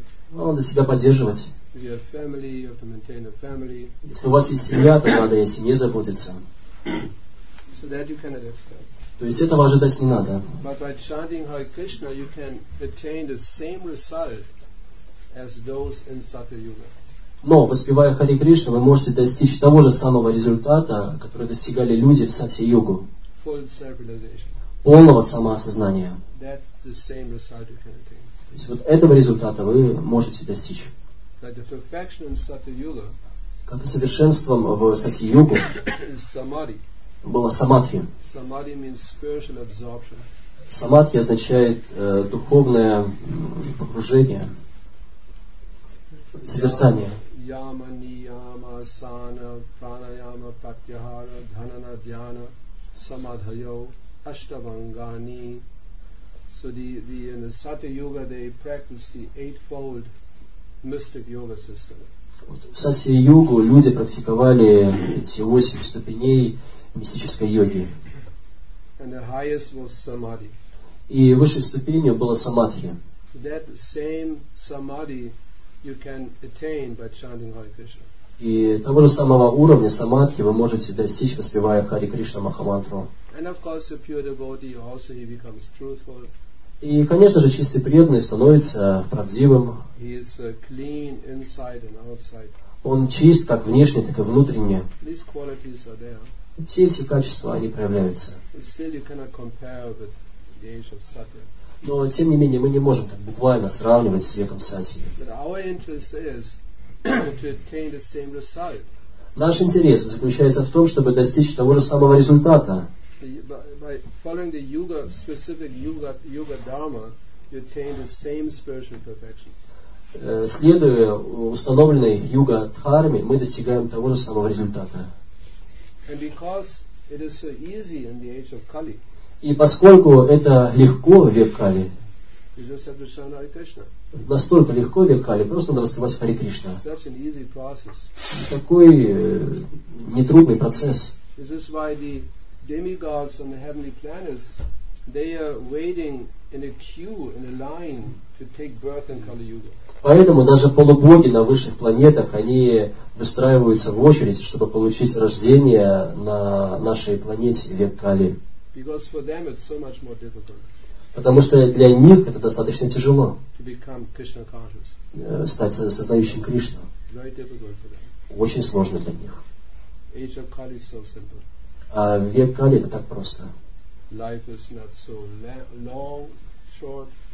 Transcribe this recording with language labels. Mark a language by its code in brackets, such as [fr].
[ru] Надо себя поддерживать. Если у вас есть семья, то надо и о семье заботиться. [en] So that you cannot expect. [ru] То есть этого ожидать не надо. [en] But by chanting Hare Krishna, you can attain the same result as those in Satya Yuga. [ru] Но воспевая Хари Кришну, вы можете достичь того же самого результата, который достигали люди в Сатья Югу. [en] Full self-realization. [ru] Полного самоосознания. [en] That's the same result you can attain. [ru] То есть вот этого результата вы можете достичь. [en] But the perfection in Satya Yuga. [ru] Как и совершенством в Сатья Югу. [en] Samadhi. [ru] Была самадхи. [en] Samadhi means spiritual absorption. [ru] Самадхи означает духовное погружение, созерцание. [sa] Яма, нияма, асана, пранаяма, пратьяхара, дханана, дьяна, samadhayo ashtavangani. [en] So the in the Satya Yuga they practice the eightfold mystic yoga system. [ru] В Сатья Йогу люди практиковали эти восемь ступеней мистической йоги. [en] And the highest was samadhi. [ru] И высшей ступенью было самадхи. [en] That same samadhi you can attain by chanting Hare Krishna. [ru] И того же самого уровня самадхи вы можете достичь, воспевая Хари Кришна Махамантру. [en] And of course, the pure devotee also he becomes truthful. [ru] И, конечно же, чистый преданный становится правдивым. [en] He is clean inside and outside. [ru] Он чист как внешне, так и внутренне. [en] These qualities are there. [ru] Все эти качества, они проявляются. [en] Still you cannot compare with the age of Satya. [ru] Но, тем не менее, мы не можем так буквально сравнивать с веком Сатьи. [en] But our interest is to attain the same result. [ru] Наш интерес заключается в том, чтобы достичь того же самого результата. [en] By following the yoga specific yoga dharma, you attain the same spiritual perfection. [ru] Следуя установленной йога дхарме, мы достигаем того же самого результата. [en] And because it is so easy in the age of Kali. [ru] И поскольку это легко в век Кали. [en] You just have to chant Hare Krishna. [ru] Настолько легко в век Кали, просто надо воспевать Хари Кришна. [en] Such an easy process. [ru] Такой нетрудный процесс. [en] This is why the demigods on the heavenly planets, they are waiting in a queue, in a line, to take birth in Kali Yuga. [ru] Поэтому даже полубоги на высших планетах, они выстраиваются в очередь, чтобы получить рождение на нашей планете век Кали. [en] Because for them it's so much more difficult. [ru] Потому что для них это достаточно тяжело. [en] To become Krishna conscious. [ru] Стать сознающим Кришну. [en] Very difficult for them. [ru] Очень сложно для них. [en] Age of Kali is so simple. [ru] А век Кали это так просто. [en] Life is not so long, short.